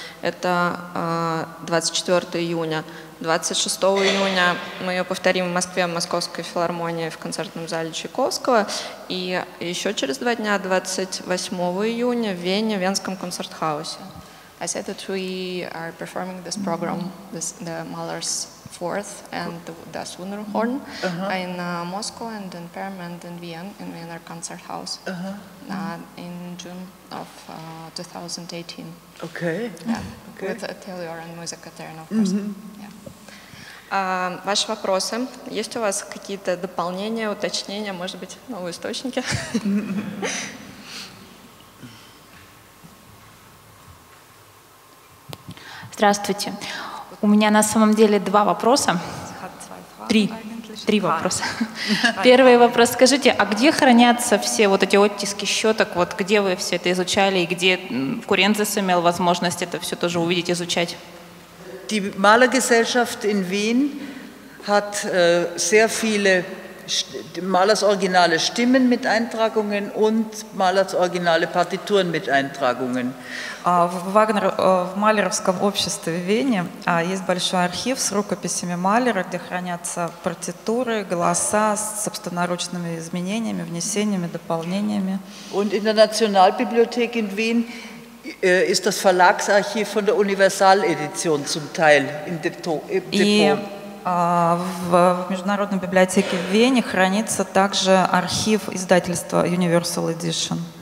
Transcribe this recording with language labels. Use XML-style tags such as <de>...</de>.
<ru>Это 24 июня. 26 июня мы ее повторим в Москве, в Московской филармонии, в концертном зале Чайковского. И еще через два дня, 28 июня, в Вене, в Венском концерт-хаусе.</ru> <en>I said that we are performing this program, the Mahler's Fourth and Das Wunderhorn in Moscow and in Perm and in Vienna Concert House in June of 2018. Okay. Yeah. Okay. With Atelier and Musica Terna, of course.</en> <ru>Ваши вопросы. Есть у вас какие-то дополнения, уточнения, может быть, новые источники? Здравствуйте. У меня на самом деле два вопроса. Три вопроса. Первый вопрос. Скажите, а где хранятся все вот эти оттиски щеток? Вот где вы все это изучали и где Курензес имел возможность это все тоже увидеть, изучать?</ru> <de>Die Malergesellschaft in Wien hat sehr viele Malers originale Stimmen mit Eintragungen und Malers originale Partituren mit Eintragungen.</de> <ru>В Малеровском обществе в Вене есть большой архив с рукописями Малера, где хранятся партитуры, голоса с собственноручными изменениями, внесениями, дополнениями.</ru> <de>Und in der Nationalbibliothek in Wien ist das Verlagsarchiv von der Universal-Edition zum Teil im Depot.</de> <ru>В Международной библиотеке в Вене хранится также архив издательства Universal Edition.</ru>